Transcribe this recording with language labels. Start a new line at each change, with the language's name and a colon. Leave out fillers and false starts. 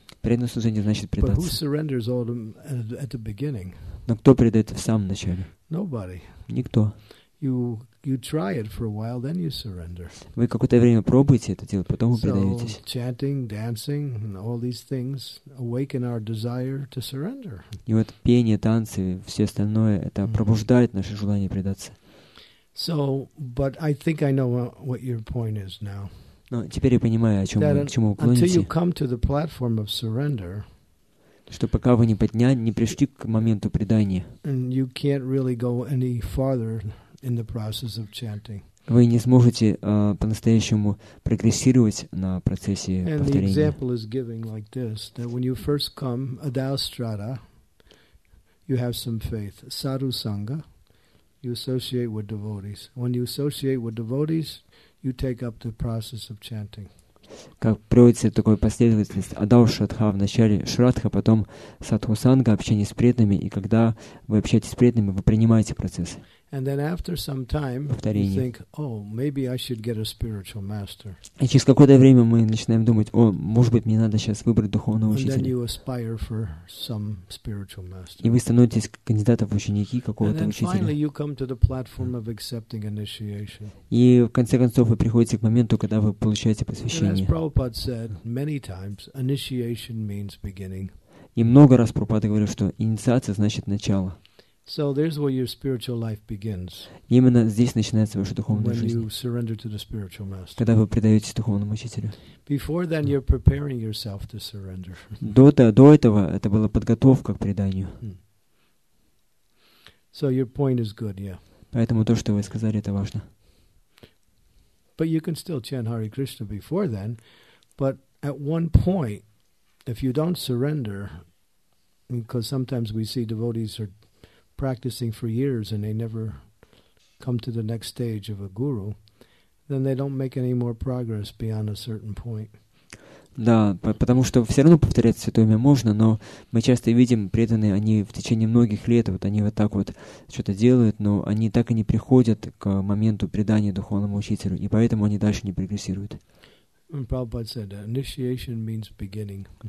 Russian: Преданное служение значит предаться.
English: But who surrenders all at the beginning?
Russian: Но кто предает в самом начале?
English: Nobody.
Russian: Никто.
English: You try it for a while, then you surrender.
Russian: Вы какое-то время пробуете это делать, потом вы предаетесь.
English: So chanting, dancing, and all these things awaken our desire to surrender.
Russian: И вот пение, танцы, все остальное, это пробуждает наше желание предаться.
English: So, but I think I know what your point is now.
Russian: Но теперь я понимаю, о чем вы, к чему вы клоните.
English: Until you come to the platform of surrender,
Russian: что пока вы не пришли к моменту предания,
English: and you can't really go any farther. In the process of chanting.
Russian: Вы не сможете по-настоящему прогрессировать на процессе повторения.
English: And the example is giving like this: that when you first come, adhastrata, you have some faith. Sadhu sangha, you associate with devotees. When you associate with devotees, you take up the process of chanting.
Russian: Как приводится такая последовательность? Адаушатха вначале шрадха, потом садхусанга, общение с преданными, и когда вы общаетесь с преданными, вы принимаете процесс.
English: And then after some time,
Russian: повторение.
English: You think, oh, maybe I should get a spiritual master.
Russian: И через какое-то время мы начинаем думать, о, может быть, мне надо сейчас выбрать духовного учителя.
English: And then you aspire for some spiritual master.
Russian: И вы становитесь кандидатом в ученики какого-то учителя.
English: Finally, you come to the platform of accepting initiation.
Russian: И в конце концов вы приходите к моменту, когда вы получаете посвящение.
English: And as Prabhupada said many times, initiation means beginning.
Russian: И много раз Прабхупада говорил, что инициация значит начало.
English: So there's where your spiritual life begins.
Russian: Именно здесь начинается ваша духовная жизнь.
English: When you surrender to the spiritual master.
Russian: Когда вы предаетесь духовному учителю.
English: Before then, you're preparing yourself to surrender.
Russian: До этого это была подготовка к преданию.
English: So your point is good, yeah.
Russian: Поэтому то, что вы сказали, это важно.
English: But you can still chant Hare Krishna before then, but at one point, if you don't surrender, because sometimes we see devotees are practicing for years and they never come to the next stage of a guru, then they don't make any more progress beyond a certain point.
Russian: Да, потому что все равно повторять святое имя можно, но мы часто видим преданные, они в течение многих лет вот они вот так вот что-то делают, но они так и не приходят к моменту предания духовному учителю, и поэтому они дальше не прогрессируют.
English: And Prabhupada said that initiation means beginning.